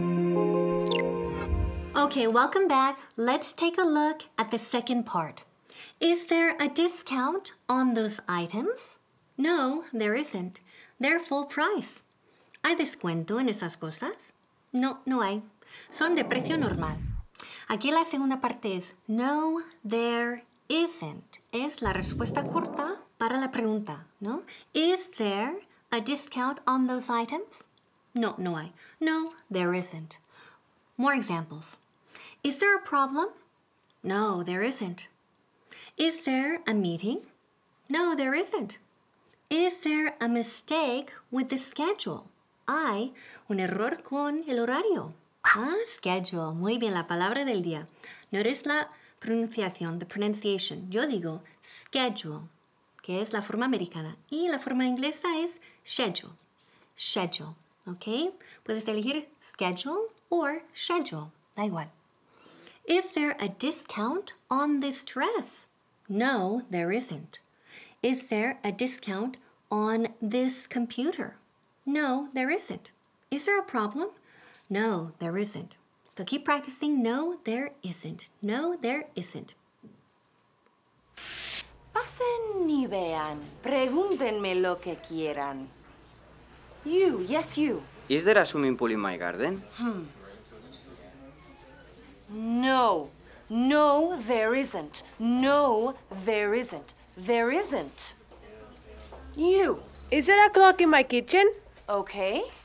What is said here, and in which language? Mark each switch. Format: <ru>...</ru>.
<en>Okay, welcome back. Let's take a look at the second part. Is there a discount on those items? No, there isn't. They're full price.</en> <es>¿Hay descuento en esas cosas? No, no hay. Son de precio normal. Aquí la segunda parte es no,</es> <en>there isn't.</en> <es>Es la respuesta corta para la pregunta, ¿no?</es> <en>Is there a discount on those items?</en> <es>No, no hay.</es> <en>No, there isn't. More examples. Is there a problem? No, there isn't. Is there a meeting? No, there isn't. Is there a mistake with the schedule?</en> <es>Hay un error con el horario. Ah, schedule. Muy bien, la palabra del día. Notice la pronunciación,</es> <en>the pronunciation.</en> <es>Yo digo schedule, que es la forma americana. Y la forma inglesa es schedule. Schedule, ¿ok? Puedes elegir schedule or schedule. Da igual.</es> <en>Is there a discount on this dress? No, there isn't. Is there a discount on this computer? No, there isn't. Is there a problem? No, there isn't. So keep practicing. No, there isn't. No, there isn't.</en> <es>Pasen y vean. Pregúntenme lo que quieran.</es> <en>You, yes, you. Is there a swimming pool in my garden? No. No, there isn't. No, there isn't. There isn't. You. Is there a clock in my kitchen? Okay.</en>